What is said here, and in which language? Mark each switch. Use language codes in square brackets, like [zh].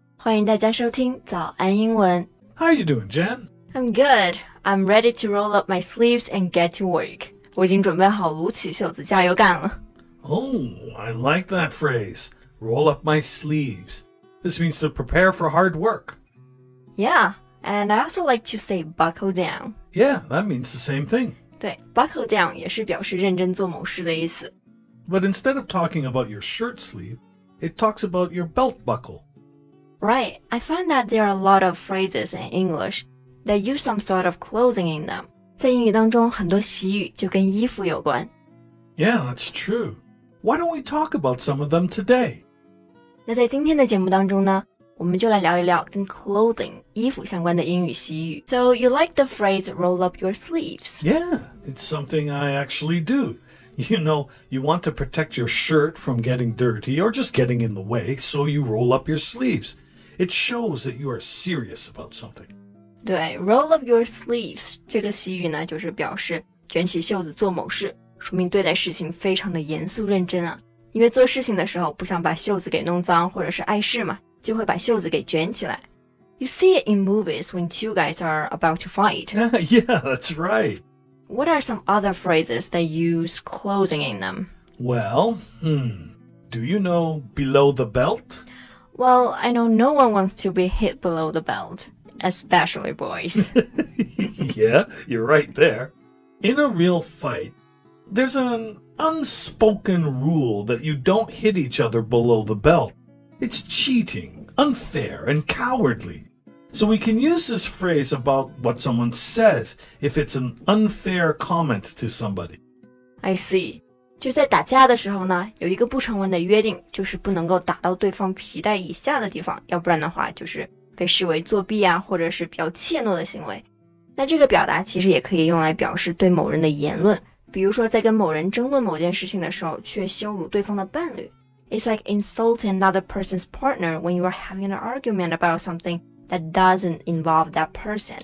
[zh] 欢迎大家收听早安英文。 [en] How are you doing, Jen? I'm good. I'm ready to roll up my sleeves and get to work. [zh] 我已经准备好撸起袖子加油干了。 [en] Oh, I like that phrase. Roll up my sleeves. This means to prepare for hard work. Yeah, and I also like to say buckle down. Yeah, that means the same thing. [zh] 对 ,buckle down 也是表示认真做某事的意思。 [en] But instead of talking about your shirt sleeve, it talks about your belt buckle. Right, I find that there are a lot of phrases in English that use some sort of clothing in them. [zh] 在英语当中很多习语就跟衣服有关。 [en] Yeah, that's true. Why don't we talk about some of them today? [zh] 那在今天的节目当中呢我们就来聊一聊跟 clothing, 衣服相关的英语习语。 [en] So, you like the phrase, roll up your sleeves? Yeah, it's something I actually do. You know, you want to protect your shirt from getting dirty or just getting in the way, so you roll up your sleeves. It shows that you are serious about something. [zh] 对, [en] roll up your sleeves, [zh] 这个习语呢就是表示卷起袖子做某事,说明对待事情非常的严肃认真啊。因为做事情的时候不想把袖子给弄脏或者是碍事嘛。就会把袖子给卷起来。 [en] You see it in movies when two guys are about to fight. Yeah, that's right. What are some other phrases that use clothing in them? Well, do you know below the belt? Well, I know no one wants to be hit below the belt, especially boys. Yeah, you're right there. In a real fight, there's an unspoken rule that you don't hit each other below the belt. It's cheating, unfair, and cowardly. So we can use this phrase about what someone says if it's an unfair comment to somebody. I see. [zh] 就在打架的时候呢有一个不成文的约定就是不能够打到对方皮带以下的地方要不然的话就是被视为作弊啊或者是比较怯懦的行为。那这个表达其实也可以用来表示对某人的言论比如说在跟某人争论某件事情的时候却羞辱对方的伴侣。 [en] It's like insulting another person's partner when you are having an argument about something that doesn't involve that person.